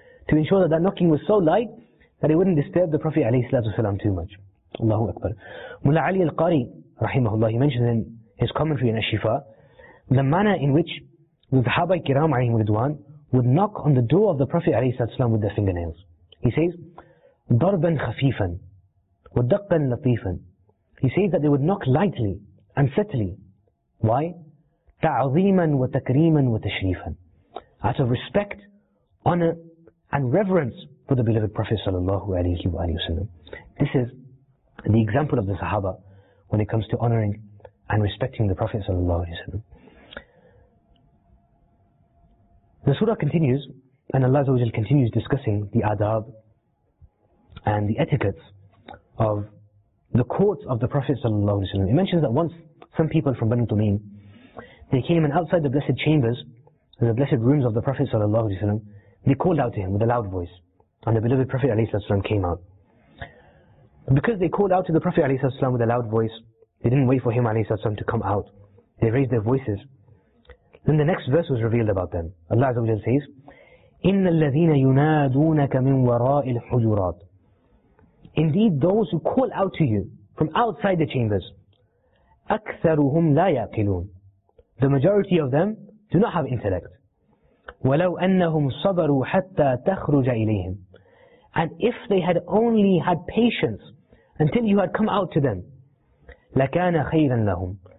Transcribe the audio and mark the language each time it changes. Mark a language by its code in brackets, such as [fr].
[en] To ensure that knocking was so light that it wouldn't disturb the Prophet عليه السلام too much. Allahu Akbar. Mullah Ali al-Qari rahimahullah, he mentioned in his commentary in Ash-Shifa, the manner in which the Sahaba al-Kiram alayhim ridwan would knock on the door of the Prophet عليه السلام with their fingernails. He says, [ar] ضَرْبًا خَفِيفًا وَدَقًّا لَطِيفًا. [en] He says that they would knock lightly and subtly. Why? [ar] تَعْظِيمًا وَتَكْرِيمًا وَتَشْرِيفًا. [en] Out of respect, honor, and reverence for the beloved Prophet sallallahu alayhi wa sallam. This is the example of the Sahaba when it comes to honoring and respecting the Prophet sallallahu alayhi wa sallam. The surah continues, and Allah azza wa jal continues discussing the adab and the etiquettes of the courts of the Prophet sallallahu alayhi wa sallam. It mentions that once some people from Banu Tumim, they came and outside the blessed chambers, the blessed rooms of the Prophet sallallahu alayhi wa sallam, they called out to him with a loud voice. And the beloved Prophet alayhi wa sallam came out. Because they called out to the Prophet alayhi wa sallam with a loud voice, they didn't wait for him alayhi wa sallam to come out. They raised their voices. Then the next verse was revealed about them. Allah azza wa jal says, [ar] إِنَّ الَّذِينَ يُنَادُونَكَ مِنْ وَرَاءِ الْحُجُرَاتِ. [en] Indeed, those who call out to you from outside the chambers, [ar] أَكْثَرُهُمْ لَا يَعْقِلُونَ. [en] The majority of them do not have intellect. [ar] وَلَوْ أَنَّهُمْ صَبَرُوا حَتَّى تَخْرُجَ إِلَيْهِمْ. [en] And if they had only had patience until you had come out to them, [ar] لَكَانَ خَيْرًا لَهُمْ.